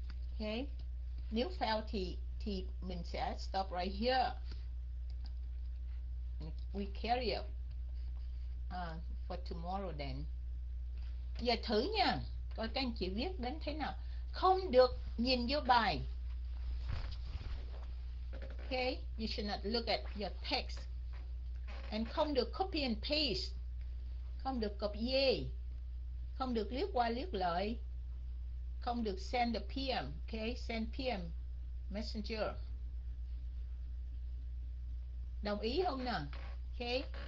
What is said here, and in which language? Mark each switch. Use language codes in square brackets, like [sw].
[vi] Okay. Nếu fail thì mình sẽ [en] stop right here. We carry up for tomorrow then. [vi] Giờ thử nha. Coi các anh chị viết đến thế nào. Không được nhìn vô bài. [en] Okay, you should not look at your text. [vi] And không được [en] copy and paste. [vi] Không được copy. Không được liếc qua liếc lại. Không được [en] send the PM. Okay, send PM messenger. [vi] Đồng ý không nào? Okay.